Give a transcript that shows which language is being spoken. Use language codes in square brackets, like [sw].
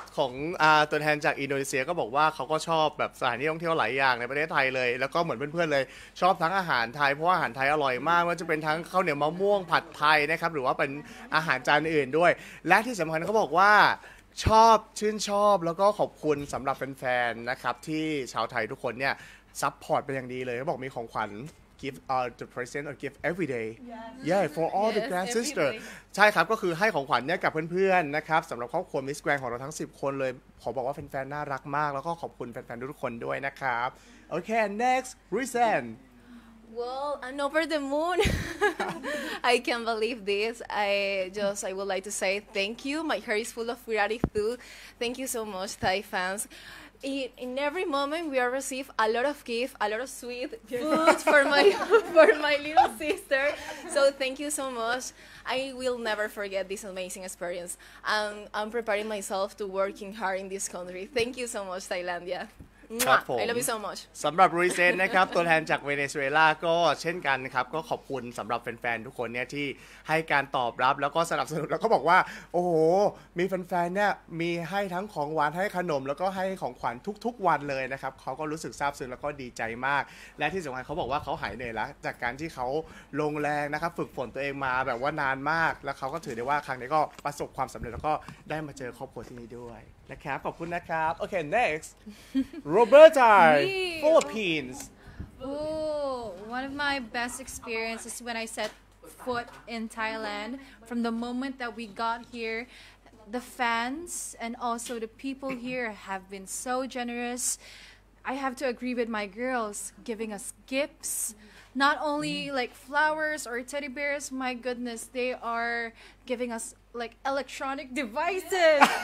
[th] ของตัวแทนจากอินโดนีเซียก็บอกว่าเขาก็ชอบแบบสถานที่ท่องเที่ยวหลายอย่างในประเทศไทยเลยแล้วก็เหมือนเพื่อนๆเลยชอบทั้งอาหารไทยเพราะอาหารไทยอร่อยมากว่าจะเป็นทั้งข้าวเหนียวมะม่วงผัดไทยนะครับหรือว่าเป็นอาหารจานอื่นด้วยและที่สำคัญเขาบอกว่าชอบชื่นชอบแล้วก็ขอบคุณสำหรับแฟนๆนะครับที่ชาวไทยทุกคนเนี่ยซัพพอร์ตเป็นอย่างดีเลยเขาบอกมีของขวัญ [en] give the present or give every day yes. yeah for all yes, the grand sister [th] ใช่ครับก็คือให้ของขวัญเนี่ยกับเพื่อนๆนะครับสำหรับครอบครัวมิสแกรนด์ของเราทั้ง10คนเลยขอบอกว่าแฟนๆน่ารักมากแล้วก็ขอบคุณแฟนๆทุกคนด้วยนะครับโอเค [en] next present well I'm over the moon I can't believe this I would like to say thank you my heart is full of gratitude thank you so much Thai fansIn every moment, we are receive a lot of gifts, a lot of sweet food for my little sister. So thank you so much. I will never forget this amazing experience. And I'm preparing myself to working hard in this country. Thank you so much, Thailandia. [th] ครับผม [en] I love you so much. [th] สำหรับรีเซนนะครับตัวแทนจากเวเนซุเอลาก็เช่นกันครับก็ขอบคุณสำหรับแฟนๆทุกคนเนี่ยที่ให้การตอบรับแล้วก็สนับสนุนแล้วก็บอกว่าโอ้โห มีแฟนๆเนี่ยมีให้ทั้งของหวานให้ขนมแล้วก็ให้ของขวัญทุกๆวันเลยนะครับเขาก็รู้สึกซาบซึ้งแล้วก็ดีใจมากและที่สำคัญเขาบอกว่าเขาหายเหนื่อยละจากการที่เขาลงแรงนะครับฝึกฝนตัวเองมาแบบว่านานมากแล้วเขาก็ถือได้ว่าครั้งนี้ก็ประสบความสำเร็จแล้วก็ได้มาเจอครอบครัวที่นี่ด้วยนะครับขอบคุณนะครับโอเค next Roberta Philippines [en] Ooh, one of my best experiences when I set foot in Thailand from the moment that we got here the fans and also the people here have been so generous I have to agree with my girls giving us gifts not only like flowers or teddy bears my goodness they are giving usLike electronic devices.